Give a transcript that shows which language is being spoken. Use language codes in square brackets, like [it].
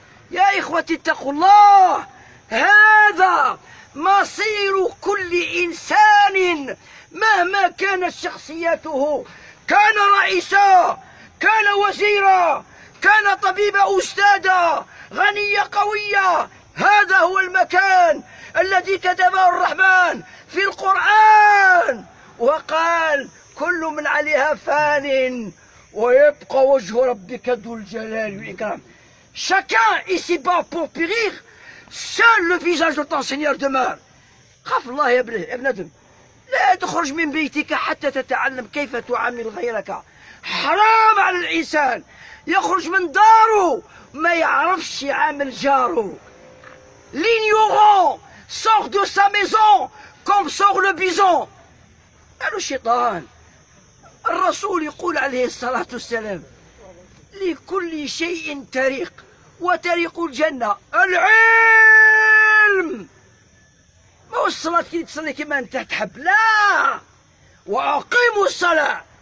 [ar] يا إخوتي اتقوا الله، هذا مصير كل إنسان مهما كانت شخصيته، كان رئيسا، كان وزيرا، كان طبيبا، أستاذا، غنية قوية. هذا هو المكان الذي كتبه الرحمن في القرآن وقال كل من عليها فان ويبقى وجه ربك ذو الجلال والإكرام. [fr] Chacun ici bas pour périr, seul le visage de ton Seigneur demeure. [ar] خاف الله يا ابن ادم، لا تخرج من بيتك حتى تتعلم كيف تعامل غيرك. حرام على الانسان يخرج من داره ما يعرفش يعامل جاره. [fr] L'ignorant sort de sa maison comme sort le bison. [ar] قالوا الشيطان. الرسول يقول عليه الصلاه والسلام لكل شيء طريق، وطريق الجنة العلم. ما هو الصلاة كي تصلي كما أنت تحب، لا، وأقيموا الصلاة.